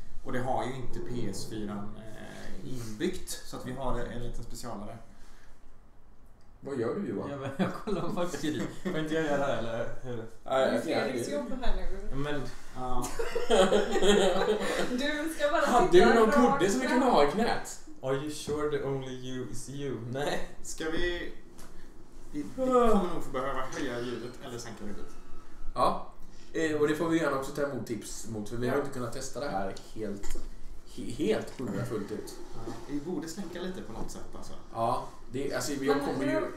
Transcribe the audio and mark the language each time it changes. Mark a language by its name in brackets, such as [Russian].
[Swedish] Och det har ju inte PS4 inbyggt, så att vi har en liten specialare. Vad gör du, Johan? Jag kollar om folk skriver. Får inte jag göra det, eller hur? Fredriks jobb här nu. Men... du ska bara sitta. Hade du någon kudde som vi kan ha i knät? [English] Are you sure the only you is you? [Swedish] Nej. Ska vi... Vi kommer nog få behöva höja ljudet eller sänka ljudet. Ja, och det får vi gärna också ta emot tips mot. För vi har inte kunnat testa det här helt hundra fullt ut. Vi borde sänka lite på något sätt alltså. Ja, det, alltså vi har kommit ju...